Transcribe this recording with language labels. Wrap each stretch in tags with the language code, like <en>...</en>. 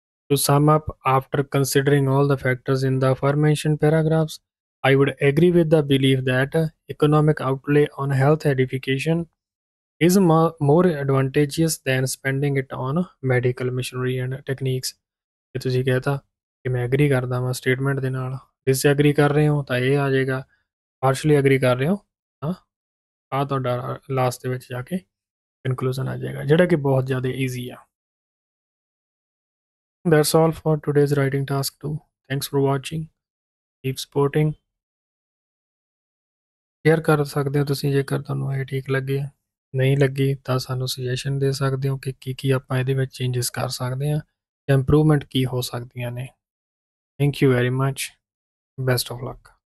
<en>To sum up, after considering all the factors in the formation paragraphs, I would agree with the belief that economic outlay on health edification is more advantageous than spending it on medical machinery and techniques.</en> <pa>ਜੇ ਤੁਸੀਂ ਕਹਿਤਾ ਕਿ ਮੈਂ agri ਕਰਦਾ ਵਾਂ statement ਦੇ ਨਾਲ, disagree ਕਰ ਰਹੇ ਹੋ ਤਾਂ ਇਹ ਆ ਜਾਏਗਾ, ਪਾਰਸ਼ਲੀ ਐਗਰੀ ਕਰ ਰਹੇ ਹੋ ਤਾਂ ਆਹ ਤੁਹਾਡਾ ਲਾਸਟ ਦੇ ਵਿੱਚ ਜਾ ਕੇ ਕਨਕਲੂਜ਼ਨ ਆ ਜਾਏਗਾ, ਜਿਹੜਾ ਕਿ ਬਹੁਤ ਜ਼ਿਆਦਾ ਈਜ਼ੀ ਆ।</pa> <en>That's all for today's writing task 2. Thanks for watching. Keep supporting.</en> <pa>Share ਕਰ ਸਕਦੇ ਹੋ ਤੁਸੀਂ ਜੇਕਰ ਤੁਹਾਨੂੰ ਇਹ ਠੀਕ ਲੱਗੇ, ਨਹੀਂ ਲੱਗੀ ਤਾਂ ਸਾਨੂੰ ਸੁਜੈਸ਼ਨ ਦੇ ਸਕਦੇ ਹੋ ਕਿ ਕੀ ਆਪਾਂ ਇਹਦੇ ਵਿੱਚ ਚੇਂਜਸ ਕਰ ਸਕਦੇ ਹਾਂ, ਇੰਪਰੂਵਮੈਂਟ ਕੀ ਹੋ ਸਕਦੀਆਂ ਨੇ।</pa> <en>Thank you very much, best of luck.</en>